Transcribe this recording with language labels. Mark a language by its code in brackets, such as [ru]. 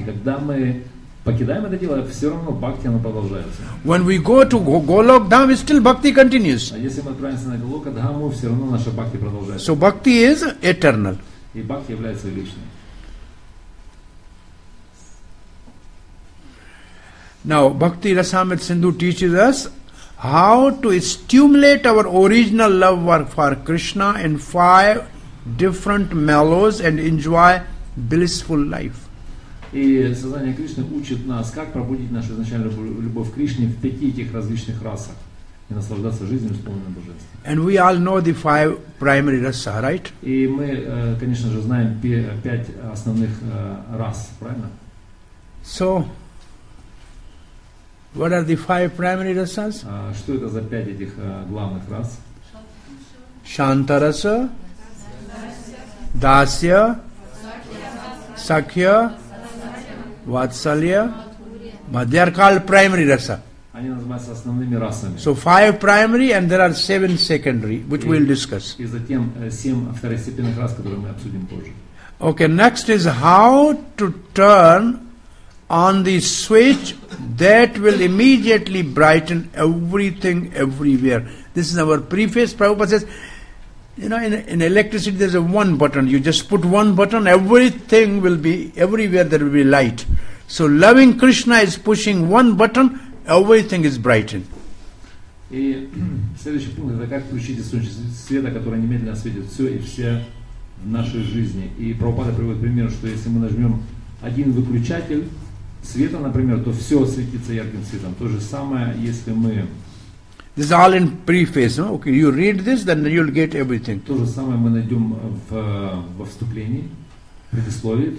[ru] Когда мы покидаем это тело, все равно бхакти оно продолжается. [en] When we go to Golok Dham, still bhakti continues. [ru] А если мы отправимся на Голока Дхаму, все равно наша бхакти продолжается. [en] So bhakti is eternal. [ru] И бхакти является вечной. [en] Now Bhakti Rasamrita Sindhu teaches us how to stimulate our original love work for Krishna in five different mellows and enjoy blissful life. [ru] И сознание Кришны учит нас, как пробудить нашу изначальную любовь к Кришне в пяти этих различных расах и наслаждаться жизнью с полным божеством. [en] And we all know the five primary rasa, right? [ru] И мы, конечно же, знаем пять основных рас, правильно? [en] So, What are the five primary rasas? [ru] Что это за пять этих главных рас? Шантараса, Дасья, Сакья, Ватсалья, Мадьяркал [en] primary rasa. [ru] Они называются основными расами. [en] So five primary and there are seven secondary, which we'll discuss. [ru] И затем семь второстепенных рас, которые мы обсудим позже. [en] Okay, next is how to turn on the switch that will immediately brighten everything everywhere. This is our preface. Prabhupada says, you know, in electricity there's a one button. You just put one button, everything will be, everywhere there will be light. So loving Krishna is pushing one button, everything is brightened. [ru] И следующий пункт, это как включить источник света, который немедленно осветит все и все в нашей жизни. И Прабхупада приводит пример, что если мы нажмем один выключатель света, например, то все светится ярким светом. То же самое, если мы... [en] This is all in preface. No? Okay, you read this, then you'll get everything. [ru] То же самое мы найдем во вступлении, предисловии.